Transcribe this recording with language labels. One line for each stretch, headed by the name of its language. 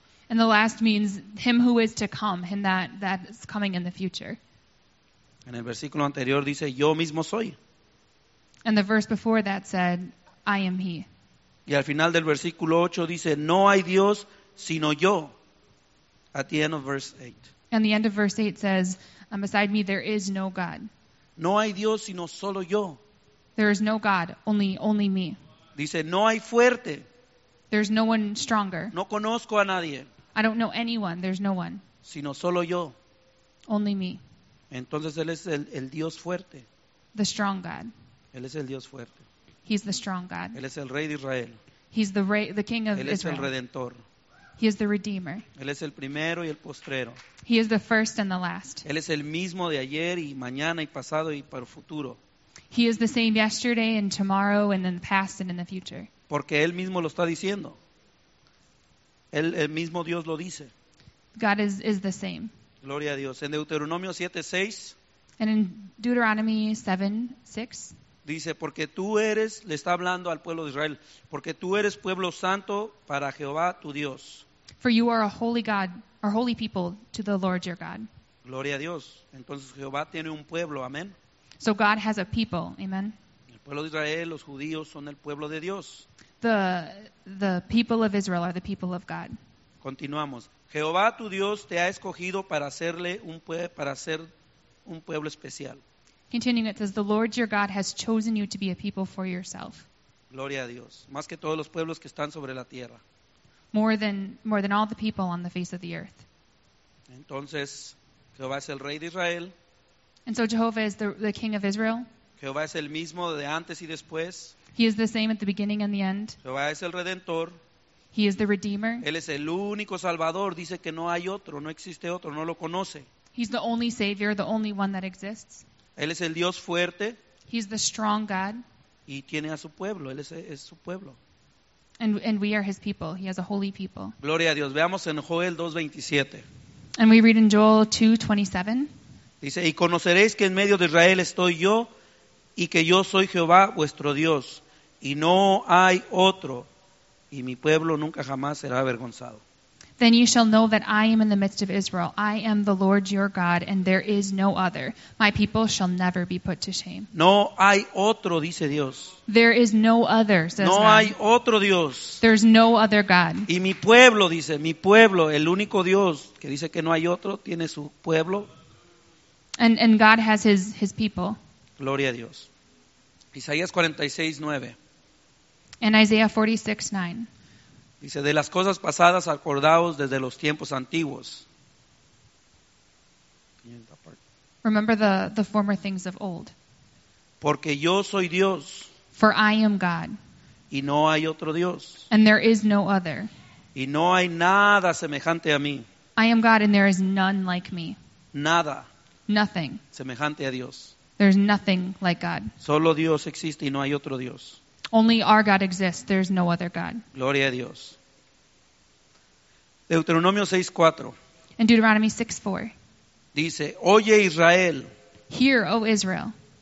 English: And the last means him who is to come, him that is coming in the future.
Spanish: En el versículo anterior dice, yo mismo soy.
English: And the verse before that said, I am he.
Spanish: Y al final del versículo 8 dice, no hay Dios sino yo.
English: At the end of verse 8. And the end of verse 8 says, and beside me there is no God.
Spanish: No hay Dios sino solo yo.
English: There is no God, only me.
Spanish: Dice, no hay fuerte.
English: There's no one stronger.
Spanish: No conozco a nadie.
English: I don't know anyone, there's no one.
Spanish: Sino solo yo.
English: Only me.
Spanish: Entonces Él es el Dios fuerte.
English: The strong God.
Spanish: Él es el Dios fuerte.
English: He's the strong God.
Spanish: Él es el Rey de Israel.
English: He's the King of Israel.
Spanish: Él es el Redentor.
English: He is the Redeemer.
Spanish: Él es el primero y el postrero.
English: He is the first and the last.
Spanish: Él es el mismo de ayer y mañana y pasado y para el futuro.
English: He is the same yesterday and tomorrow and in the past and in the future.
Spanish: Porque Él mismo lo está diciendo. Él, el mismo Dios lo dice.
English: God is the same.
Spanish: Gloria a Dios. En Deuteronomio 7:6.
English: And in Deuteronomy 7:6.
Spanish: Dice, porque tú eres, le está hablando al pueblo de Israel, porque tú eres pueblo santo para Jehová tu Dios.
English: For you are a holy God, a holy people to the Lord your God.
Spanish: Gloria a Dios. Entonces Jehová tiene un pueblo, amén.
English: So God has a people, amen.
Spanish: El pueblo de Israel, los judíos son el pueblo de Dios.
English: The people of Israel are the people of God.
Spanish: Continuamos. Jehová tu Dios te ha escogido para hacerle un para ser un pueblo especial.
English: Continuing, it says, the Lord your God has chosen you to be a people for yourself.
Spanish: Gloria a Dios. Más que todos los pueblos que están sobre la tierra.
English: More than all the people on the face of the earth.
Spanish: Entonces, Jehová es el rey de Israel.
English: And so Jehovah is the king of Israel.
Spanish: Jehová es el mismo de antes y después.
English: He is the same at the beginning and the end.
Spanish: Jehová es el redentor.
English: He is the redeemer.
Spanish: Él es el único salvador. Dice que no hay otro, no existe otro, no lo conoce.
English: He's the only savior, the only one that exists.
Spanish: Él es el Dios fuerte.
English: He's the strong God.
Spanish: Y tiene a su pueblo. Él es su pueblo.
English: And we are his people. He has a holy people.
Spanish: Gloria a Dios. Veamos en Joel 2:27.
English: And we read in Joel 2:27.
Spanish: Dice, y conoceréis que en medio de Israel estoy yo, y que yo soy Jehová vuestro Dios, y no hay otro, y mi pueblo nunca jamás será avergonzado.
English: Then you shall know that I am in the midst of Israel. I am the Lord your God, and there is no other. My people shall never be put to shame.
Spanish: No hay otro, dice Dios.
English: There is no other, says
Spanish: God. No hay otro Dios.
English: There's no other God.
Spanish: Y mi pueblo, dice, mi pueblo, el único Dios, que dice que no hay otro, tiene su pueblo.
English: And God has his people.
Spanish: Gloria a Dios. Isaías 46:9.
English: And Isaiah 46:9.
Spanish: Dice, de las cosas pasadas acordaos desde los tiempos antiguos.
English: Remember the former things of old.
Spanish: Porque yo soy Dios.
English: For I am God.
Spanish: Y no hay otro Dios.
English: And there is no other.
Spanish: Y no hay nada semejante a mí.
English: I am God and there is none like me.
Spanish: Nada.
English: Nothing.
Spanish: Semejante a Dios.
English: There's nothing like God.
Spanish: Solo Dios existe y no hay otro Dios.
English: Only our God exists. There's no other God.
Spanish: Gloria a Dios. Deuteronomio 6:4.
English: And Deuteronomy 6:4.
Spanish: Dice, oye Israel.
English: Hear, O Israel.